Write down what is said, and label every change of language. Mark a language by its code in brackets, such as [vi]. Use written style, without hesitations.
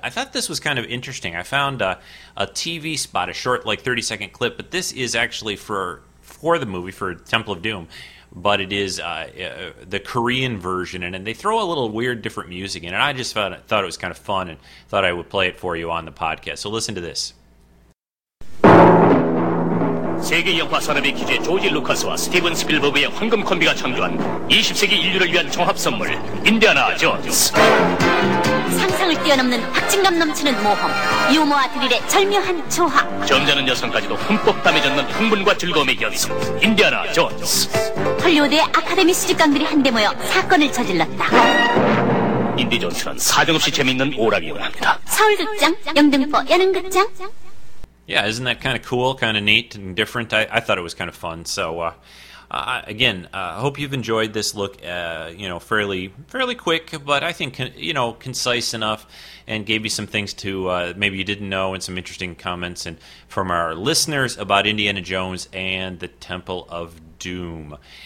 [en] I thought this was kind of interesting. I found a TV spot, a short, like, 30-second clip, but this is actually for the movie, for Temple of Doom, but it is the Korean version, and they throw a little weird different music in, and I just thought it was kind of fun and thought I would play it for you on the podcast. So listen to this. [ko] 세계 영화 산업의 기재 조지 루카스와 스티븐 스필버그의 황금 콤비가 창조한 20세기 인류를 위한 종합 선물 인디아나 존스. 상상을 뛰어넘는 박진감 넘치는 모험, 유머와 드릴의 절묘한 조합. 점잖은 여성까지도 흠뻑 담아젖는 흥분과 즐거움의 연속, 인디아나 존스. 헐리우드의 아카데미 수집관들이 한데 모여 사건을 저질렀다. 인디 존스는 사정없이 재미있는 오락이곤 합니다. 서울극장, 영등포 예능극장. [en] Yeah, isn't that kind of cool, kind of neat and different? I thought it was kind of fun. So, I hope you've enjoyed this look, you know, fairly quick, but I think, you know, concise enough, and gave you some things to maybe you didn't know, and some interesting comments and from our listeners about Indiana Jones and the Temple of Doom.